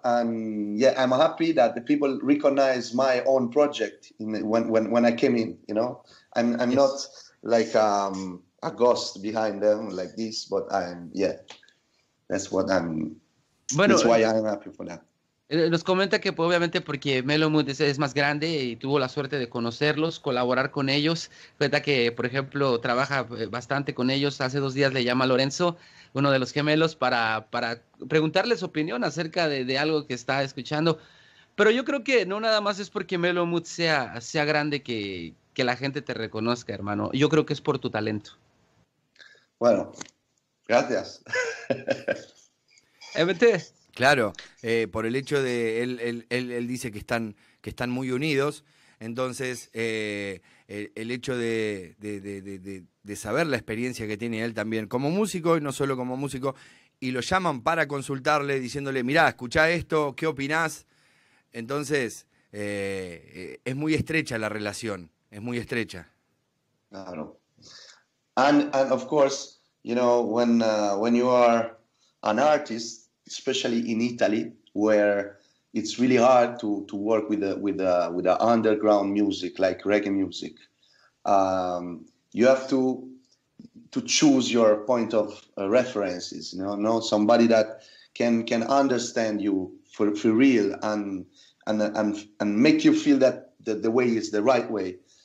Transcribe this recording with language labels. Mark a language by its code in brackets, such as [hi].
[en] And yeah, I'm happy that the people recognize my own project when I came in, you know. I'm yes. Not like... a ghost behind them like this, but that's why I'm happy for that. [es] Nos comenta que obviamente porque Mellow Mood es más grande y tuvo la suerte de conocerlos, colaborar con ellos. Cuenta que, por ejemplo, trabaja bastante con ellos. Hace 2 días le llama a Lorenzo, uno de los gemelos, para preguntarle su opinión acerca de algo que está escuchando. Pero yo creo que no nada más es porque Mellow Mood sea grande que la gente te reconozca, hermano. Yo creo que es por tu talento. Bueno, gracias. MT. Claro, por el hecho de él dice que están muy unidos, entonces el hecho de saber la experiencia que tiene él también como músico y no solo como músico, y lo llaman para consultarle diciéndole, mirá, escuchá esto, ¿qué opinás? Entonces, es muy estrecha la relación, es muy estrecha. Claro. [en] And of course, you know, when you are an artist, especially in Italy, where it's really hard to work with the underground music like reggae music, You have to choose your point of references, you know, somebody that can understand you for real and make you feel that the way is the right way.